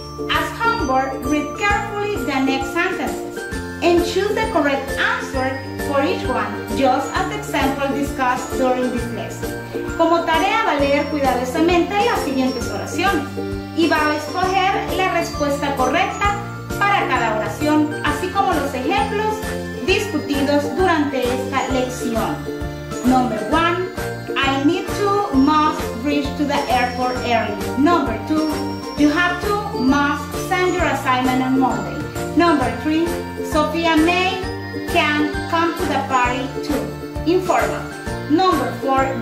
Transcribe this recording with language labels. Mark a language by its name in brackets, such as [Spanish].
[English] As homework, read carefully the next sentences and choose the correct answer for each one, just as the example discussed during this lesson. [Spanish] Como tarea va a leer cuidadosamente las siguientes oraciones y va a escoger la respuesta correcta para cada oración, así como los ejemplos discutidos durante esta lección. [English] Number 1. I need to, must reach to the airport early. Number 2. You have to, must send your assignment on Monday. Number 3. Sophia May can come to the party too. Informal. Number 4.